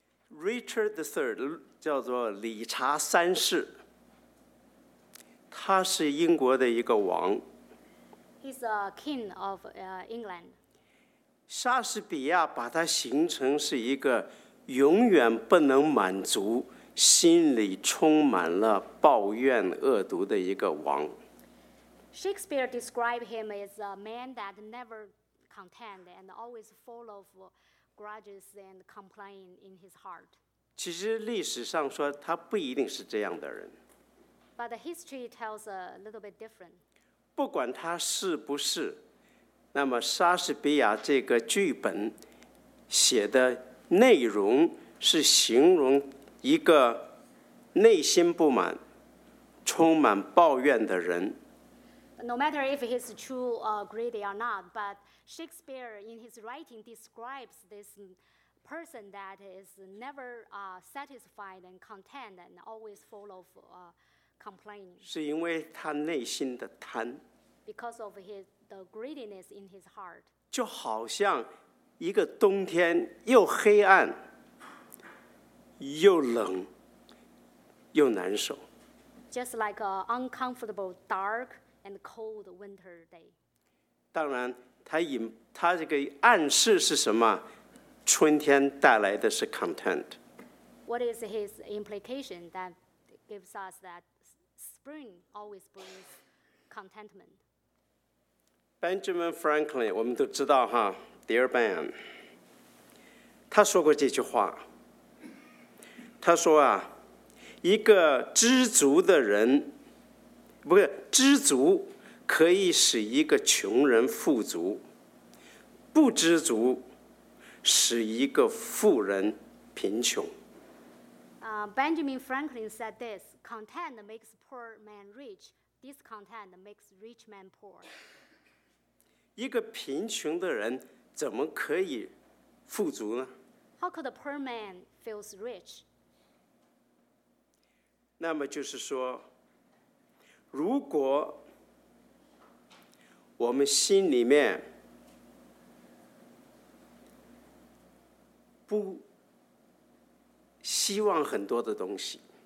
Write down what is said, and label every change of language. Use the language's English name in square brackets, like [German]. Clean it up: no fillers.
[Chinese] Richard III 叫做理查三世，他是英国的一个王。 [English] He's a king of England. [Chinese] 莎士比亚把他形成是一个永远不能满足，心里充满了抱怨恶毒的一个王。 [English] Shakespeare described him as a man that never content and always full of grudges and complaining in his heart. [Chinese] 其实历史上说他不一定是这样的人。 [English] But the history tells a little bit different. [Chinese] 不管他是不是，那么莎士比亚这个剧本写的内容是形容一个内心不满、充满抱怨的人。 [English] No matter if he's true or greedy or not, but Shakespeare in his writing describes this person that is never satisfied and content and always full of complaining. [Chinese] 是因为他内心的贪。 [English] Because of the greediness in his heart. [Chinese] 就好像一个冬天又黑暗又冷又难受。 [English] Just like an uncomfortable, dark and cold winter day. [Chinese] 当然他这个暗示是什么？春天带来的是 content. [English] What is his implication that gives us that spring always brings contentment? [Chinese] Benjamin Franklin, 我们都知道哈 ,Dear Ben, 他说过这句话。他说啊，一个知足的人，不是知足可以使一个穷人富足，不知足使一个富人贫穷。 [English] Benjamin Franklin said this: Content makes poor man rich. Discontent makes rich man poor. [Chinese] 一个贫穷的人怎么可以富足呢 [English] ？How could a poor man feel rich？ [Chinese] 那么就是说，如果我们心里面不希望很多的东西